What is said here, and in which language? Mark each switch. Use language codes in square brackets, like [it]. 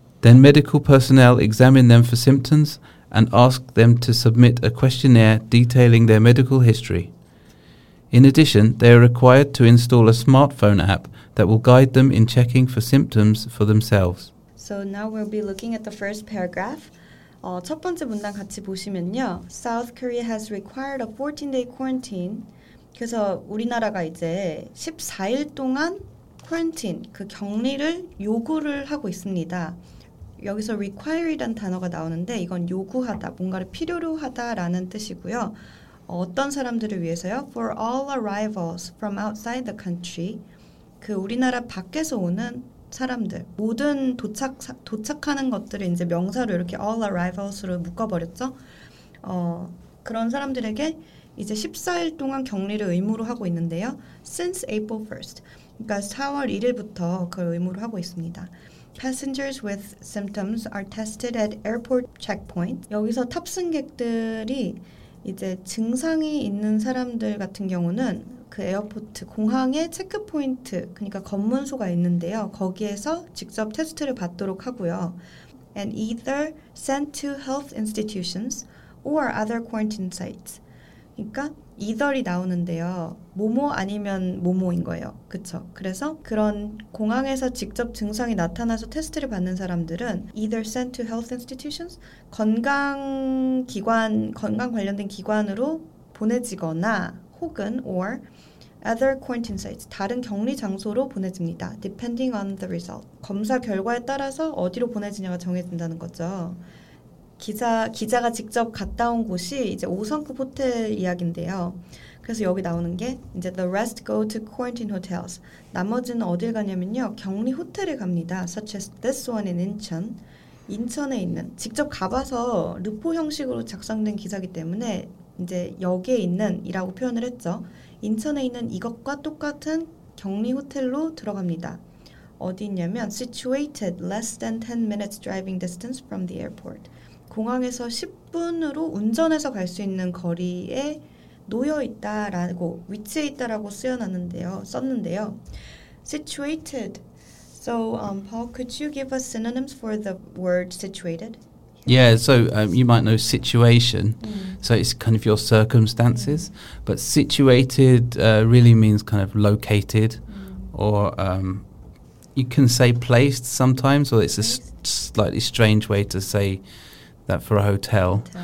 [en] Then medical personnel examine them for symptoms and ask them to submit a questionnaire detailing their medical history. In addition, they are required to install a smartphone app that will guide them in checking for symptoms for themselves. So now we'll be looking at the first paragraph. [ko] 첫 번째 문단 같이 보시면요. [en] South Korea has required a 14-day quarantine. [ko] 그래서 우리나라가 이제 14일 동안 quarantine, 그 격리를 요구를 하고 있습니다. 여기서 require이란 단어가 나오는데 이건 요구하다, 뭔가를 필요로 하다라는 뜻이고요. 어떤 사람들을 위해서요? [en] For all arrivals from outside the country. [ko] 그 우리나라 밖에서 오는 사람들, 모든 도착하는 것들을 이제 명사로 이렇게 all arrivals로 묶어버렸죠. 그런 사람들에게 이제 14일 동안 격리를 의무로 하고 있는데요. [en] Since April 1st. [ko] 그러니까 4월 1일부터 그걸 의무로 하고 있습니다. [en] Passengers with symptoms are tested at airport checkpoints. [ko] 여기서 탑승객들이 이제 증상이 있는 사람들 같은 경우는 그 에어포트 공항의 체크포인트, 그러니까 검문소가 있는데요. 거기에서 직접 테스트를 받도록 하고요. [en] And either sent to health institutions or other quarantine sites. [ko] 그러니까 either이 나오는데요. 뭐뭐 아니면 뭐뭐인 거예요. 그렇죠? 그래서 그런 공항에서 직접 증상이 나타나서 테스트를 받는 사람들은 [en] either sent to health institutions, [ko] 건강 관련된 기관으로 보내지거나 혹은 or [en] other quarantine sites, [ko] 다른 격리 장소로 보내집니다. [en] Depending on the result. [ko] 검사 결과에 따라서 어디로 보내지냐가 정해진다는 거죠. 기자가 직접 갔다 온 곳이 이제 5성급 호텔 이야기인데요. 그래서 여기 나오는 게 이제 [en] the rest go to quarantine hotels. [ko] 나머지는 어딜 가냐면요. 격리 호텔에 갑니다. [en] Such as this one in 인천. [ko] 인천에 있는 직접 가봐서 루포 형식으로 작성된 기사기 때문에 이제 여기에 있는 이라고 표현을 했죠. 인천에 있는 이것과 똑같은 격리 호텔로 들어갑니다. 어디 있냐면 [en] situated less than 10 minutes driving distance from the airport. [ko] 공항에서 10분으로 운전해서 갈 수 있는 거리에 놓여있다라고 위치에 있다라고 썼는데요. [en] Situated. So, Paul, could you give us synonyms for the word situated? Yeah, so you might know situation. So it's kind of your circumstances. But situated really means kind of located. Or you can say placed sometimes, or it's a slightly strange way to say that for a hotel.